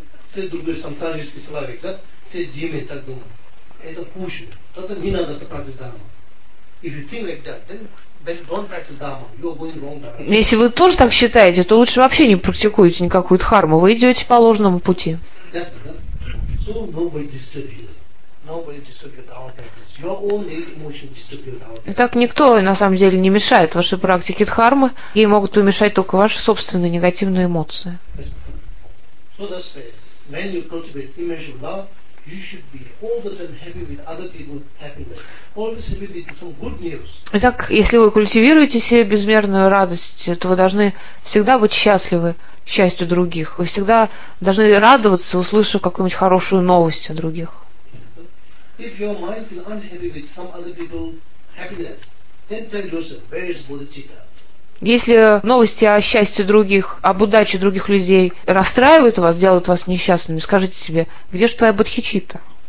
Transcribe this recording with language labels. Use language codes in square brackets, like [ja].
[ru] Все другие самсарийские славы, да? Все димы так думают. Это хуже. Тогда не надо практиковать дхарму. [en] If you think like that, then better don't practice dharma. You are going wrong direction. [ru] Если вы тоже так считаете, то лучше вообще не практикуете никакую дхарму. Вы идете по ложному пути. [en] Yes, right? So nobody disturbs you. Nobody disturbs your dharma practice. Your own emotion disturbs your dharma practice. [ru] Так никто на самом деле не мешает вашей практике дхармы. Ей могут помешать только ваши собственные негативные эмоции. [en] So that's fair. When you cultivate emotional love, you should be all the time happy with other people's happiness. Always happy with some good news. [ru] Итак, если вы культивируете себе безмерную радость, то вы должны всегда быть счастливы счастью других. Вы всегда должны радоваться, услышав какую-нибудь хорошую новость о других. [en] If your mind is unhappy with some other people's happiness, then tell yourself, where is bodhicitta? [ru] Если новости о счастье других, об удаче других людей расстраивают вас, делают вас несчастными, скажите себе, где же твоя бодхичитта?